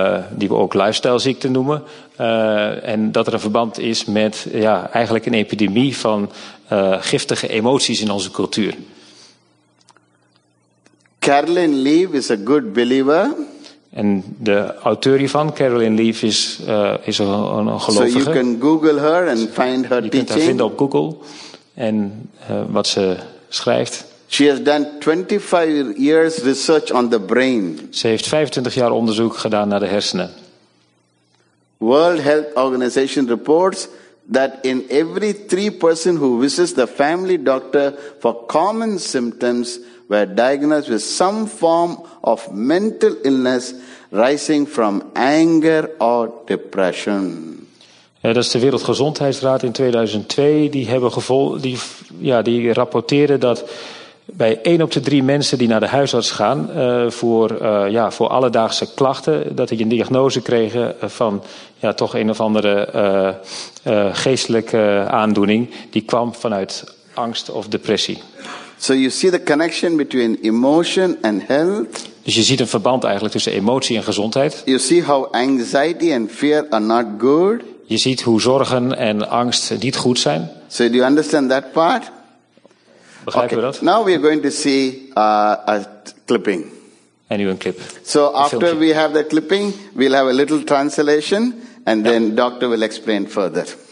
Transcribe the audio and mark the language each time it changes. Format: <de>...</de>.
<nl>die we ook lifestyleziekte noemen. En dat er een verband is met ja, eigenlijk een epidemie van giftige emoties in onze cultuur.</nl> <en>Carolyn Leaf is a good believer.</en> <nl>En de auteur hiervan, Carolyn Leaf, is een gelovige.</nl> <en>So you can Google her and find her teaching.</en> <nl>Je kunt haar vinden op Google en wat ze schrijft.</nl> <en>She has done 25 years research on the brain.</en> <nl>Ze heeft 25 jaar onderzoek gedaan naar de hersenen.</nl> <en>World Health Organization reports that in every 3 person who visits the family doctor for common symptoms were diagnosed with some form of mental illness rising from anger or depression.</en> <nl>Ja, dat is de Wereldgezondheidsraad in 2002. Die hebben die rapporteerden dat bij 1 op de 3 mensen die naar de huisarts gaan voor alledaagse klachten, dat die een diagnose kregen van ja, toch een of andere geestelijke aandoening die kwam vanuit angst of depressie.</nl> <en>So you see the connection between emotion and health.</en> <nl>Dus je ziet een verband eigenlijk tussen emotie en gezondheid.</nl> <en>You see how anxiety and fear are not good.</en> <nl>Je ziet hoe zorgen en angst niet goed zijn.</nl> <en>So do you understand that part?</en> <nl>Begrijpen we dat?</nl> <en>Now we are going to see a clipping.</en> <nl>En nu een clip.</nl> <en>So after we have the clipping, we'll have a little translation and then doctor will explain further.</en>